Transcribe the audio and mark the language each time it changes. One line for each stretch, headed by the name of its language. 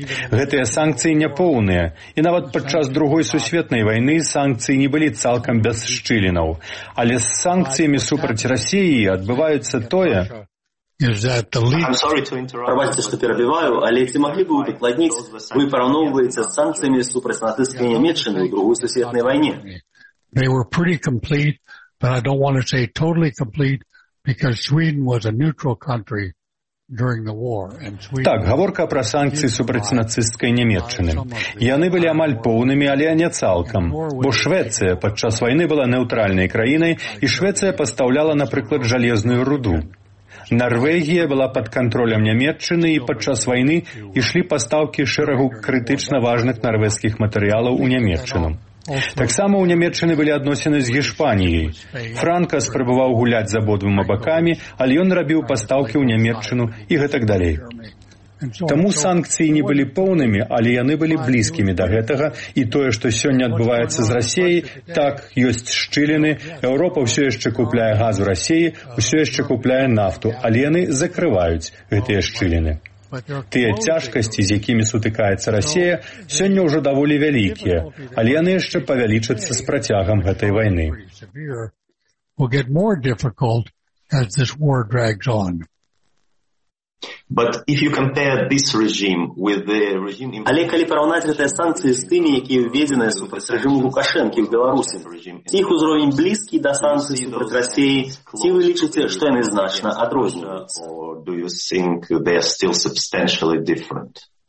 Belarusian: Гэтыя санкцыі няпоўныя, і нават падчас Другой сусветнай вайны санкцыі не былі цалкам без шчылінаў. Але з санкцыямі супраць Расіі адбываецца тое... Прабачце, што перабіваю, але ці маглі б вы дакладніць, вы параўноўваеце з санкцыямі супраць нацысцкай Нямеччыны ў Другой сусветнай вайне?
English: They were pretty complete, but I don't want to say totally complete, because Sweden was a neutral country during the war.
Belarusian: Так, гаворка пра санкцыі супраць нацысцкай Нямеччыны. Яны былі амаль поўнымі, але не цалкам. Бо Швецыя падчас вайны была нейтральнай краінай, і Швецыя пастаўляла, напрыклад, жалезную руду. Нарвегія была пад кантролем Нямеччыны, і падчас вайны ішлі пастаўкі шэрагу крытычна важных нарвежскіх матэрыялаў у Нямеччыну. Таксама ў Нямеччыны былі адносіны з Гішпаніяй. Франка спрабаваў гуляць з абодвума бакамі, але ён рабіў пастаўкі ў Нямеччыну і гэтак далей. Таму санкцыі не былі поўнымі, але яны былі блізкімі да гэтага, і тое, што сёння адбываецца з Расіяй, так, ёсць шчыліны, Еўропа ўсё яшчэ купляе газ у Расіі, ўсё яшчэ купляе нафту, але яны закрываюць гэтыя шчыліны. Тыя цяжкасці, з якімі сутыкаецца Расія, сёння ўжо даволі вялікія, але яны яшчэ павялічацца з працягам гэтай вайны.
English: Will get more difficult as this war drags on. But if you compare this regime with the regime in...
Belarusian: Але калі параўнаць гэтыя санкцыі з тымі, якія введзеныя супраць рэжыму Лукашэнкі ў Беларусі, ціх узровень блізкі да санкцый супраць Расіі, ці вы лічыце, што яны значна адрозніваюцца?
English: Or do you think they are still substantially different?